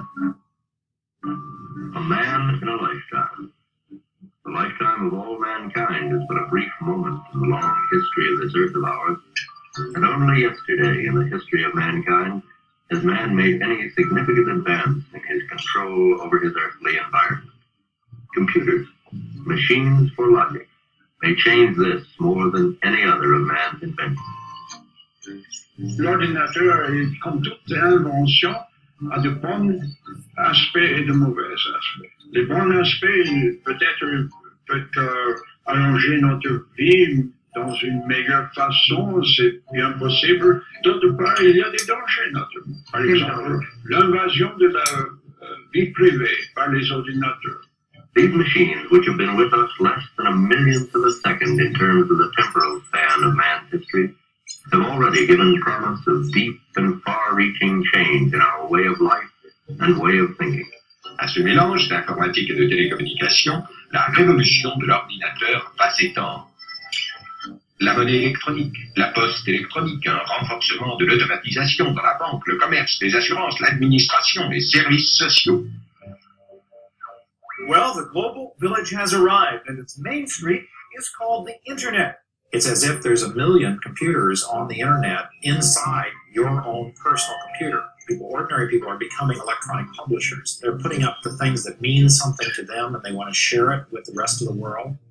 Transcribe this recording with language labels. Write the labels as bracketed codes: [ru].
[en] A man in a lifetime of all mankind, is but a brief moment in the long history of this earth of ours, and only yesterday in the history of mankind has man made any significant advance in his control over his earthly environment. Computers, machines for logic, may change this more than any other of man's inventions. [fr] L'ordinateur, comme toute invention, a de bons aspects et de mauvais aspects. Les bons aspects, peut-être, peut allonger notre vie dans une meilleure façon, c'est bien possible. D'autre part, il y a des dangers, naturellement. Par exemple, l'invasion de la vie privée par les ordinateurs. [en] These machines, which have been with us less than a millionth of a second in terms of the temporal span of man's history, have already given promise of deep and far-reaching change in our way of life and way of thinking. [fr] À ce mélange d'informatique et de télécommunication, la révolution de l'ordinateur va s'étendre. La monnaie électronique, la poste électronique, un renforcement de l'automatisation dans la banque, le commerce, les assurances, l'administration, les services sociaux. [en] Well, the global village has arrived, and its main street is called the Internet. It's as if there's a million computers on the Internet inside your own personal computer. Ordinary people are becoming electronic publishers. They're putting up the things that mean something to them, and they want to share it with the rest of the world.